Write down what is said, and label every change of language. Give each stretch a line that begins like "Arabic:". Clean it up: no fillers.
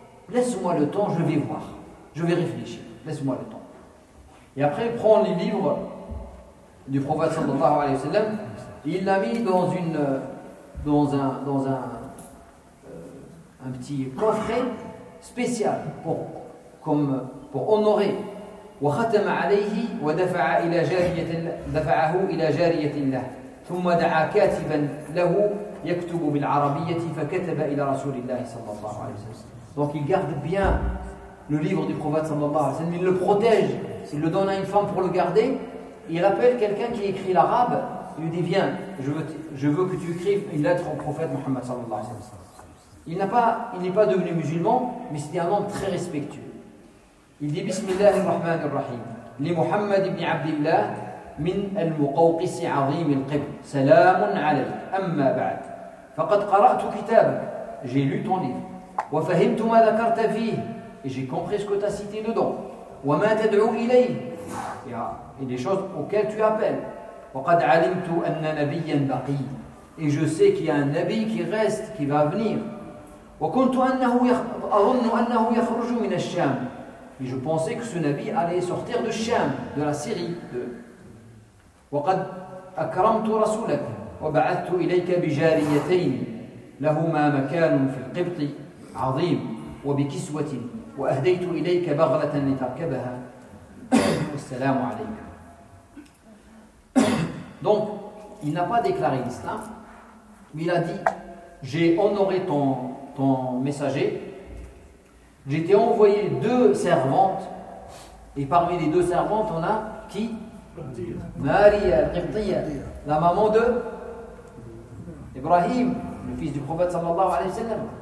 French: Laisse-moi le temps, je vais voir. Je vais réfléchir. Laisse-moi le temps. Et après, il prend les livres du prophète sallallahu alayhi wa sallam, il l'a mis dans un petit coffret spécial pour honorer.
Arabic: وختم عليه ودفع إلى جارية دفعه إلى جارية له ثم دعا كاتبا له يكتب بالعربية فكتب إلى رسول الله صلى الله عليه وسلم.
French: Donc il garde bien le livre du prophète sallallahu alayhi wa sallam, il le protège, il le donne à une femme pour le garder. Il appelle quelqu'un qui écrit l'arabe, il lui dit viens, je veux que tu écrives une lettre au prophète Muhammad sallallahu alayhi wa sallam. Il n'est pas devenu musulman, mais c'était un homme très respectueux. Il dit
Arabic: بسم الله الرحمن الرحيم لمحمد بن عبد الله من المقوقس عظيم القبل سلام عليك أما بعد فقد قرأت كتابك
French: j'ai lu ton livre
Arabic: وفهمت ما ذكرت فيه
French: et j'ai compris ce que tu as cité dedans
Arabic: وما تدعو إليه
French: et les choses auxquelles tu appelles
Arabic: وقد علمت أن نبيا بقي
French: et je sais qu'il y a un nabi qui reste qui va venir
Arabic: وكنت أنه أظن أنه يخرج من الشام
French: et je pensais que ce nabi allait sortir de Sham de la Syrie de
Arabic: وقد أكرمت رسولك وبعثت إليك بجاريتين لهما مكان في القبط عظيم وبكسوة وأهديت إليك بغلة لتركبها السلام عليك.
French: Donc, il n'a pas déclaré l'islam, mais il a dit j'ai honoré ton messager, j'ai été envoyé deux servantes, et parmi les deux servantes, on a qui ? Maria, la maman de Ibrahim, le fils du prophète sallallahu alayhi wa sallam.